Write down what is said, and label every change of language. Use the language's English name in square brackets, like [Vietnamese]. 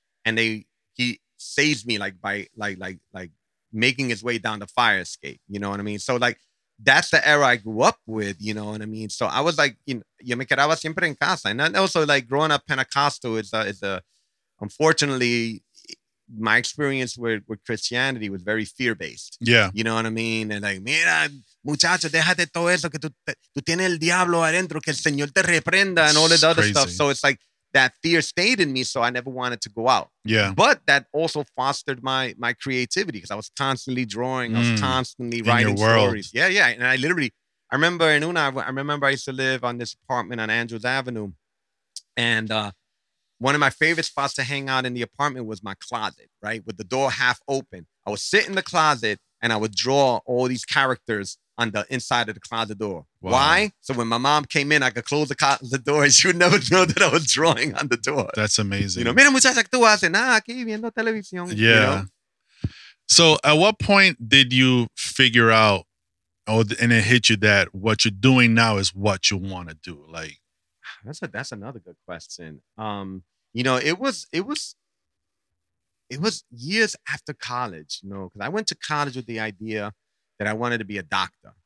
[English] And he saves me by making his way down the fire escape. You know what I mean? So like, that's the era I grew up with, you know what I mean? So I was like, you know, [Spanish] yo me quedaba siempre en casa. [English] And then also like growing up Pentecostal is unfortunately, my experience with Christianity was very fear-based. Yeah. You know what I mean? [Spanish] And like, mira, muchacho, déjate todo eso que tú tienes el diablo adentro, que el Señor te reprenda [English] and all the other stuff. So it's like that fear stayed in me, so I never wanted to go out. Yeah. But that also fostered my creativity because I was constantly drawing. I was constantly writing stories. Yeah, yeah. And I literally, I remember I used to live on this apartment on Andrews Avenue. And one of my favorite spots to hang out in the apartment was my closet, right? With the door half open. I would sit in the closet and I would draw all these characters on the inside of the closet door. Wow. Why? So when my mom came in, I could close the door and she would never know that I was drawing on the door. That's amazing. You know, [Spanish] mira muchachos, tú haces nada aquí viendo televisión. [English] Yeah. So at what point did you figure out, and it hit you that what you're doing now is what you want to do? Like, That's another good question. You know, it was years after college, you know, because I went to college with the idea that I wanted to be a doctor.